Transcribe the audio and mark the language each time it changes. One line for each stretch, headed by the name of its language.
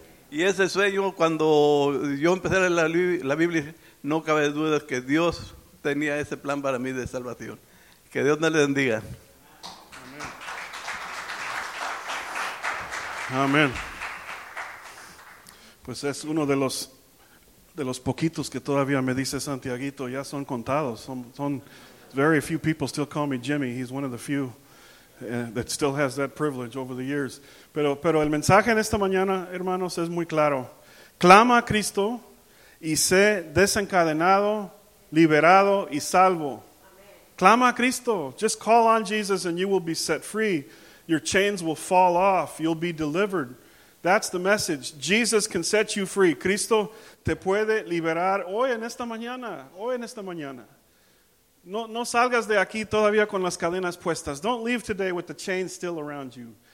Spanish: Y ese sueño, cuando yo empecé a leer la Biblia, no cabe duda que Dios tenía ese plan para mí de salvación. Que Dios me le bendiga. Amén. Amén. Pues es uno de los poquitos que todavía me dice Santiaguito, ya son contados.
English: Son very few people still call me Jimmy. He's one of the few that still has that privilege over the years.
Spanish: Pero el mensaje en esta mañana, hermanos, es muy claro. Clama a Cristo y sé desencadenado, liberado y salvo. Amen. Clama a Cristo.
English: Just call on Jesus and you will be set free. Your chains will fall off. You'll be delivered. That's the message. Jesus can set you free.
Spanish: Cristo te puede liberar hoy en esta mañana. Hoy en esta mañana. No salgas de aquí todavía con las cadenas puestas.
English: Don't leave today with the chains still around you.